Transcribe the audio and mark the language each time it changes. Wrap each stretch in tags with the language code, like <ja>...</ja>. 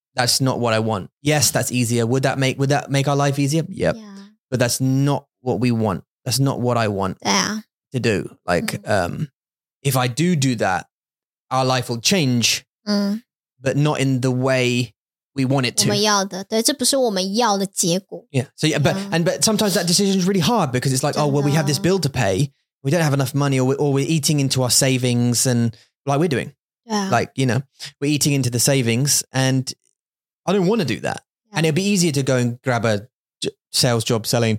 <en>that's not what I want. Yes, that's easier. Would that make our life easier? Yep. Yeah. But that's not what we want. That's not what I want to do. Like, if I do that, our life will change, but not in the way we want it to.</en> <zh>我们要的，对，这不是我们要的结果。</zh> <en>Yeah. So yeah, but and but sometimes that decision is really hard because it's like, oh, well, we have this bill to pay. We don't have enough money, or we're eating into our savings, and like we're doing. Yeah. Like, you know, we're eating into the savings and I don't want to do that. Yeah. And it'd be easier to go and grab a sales job selling.</en>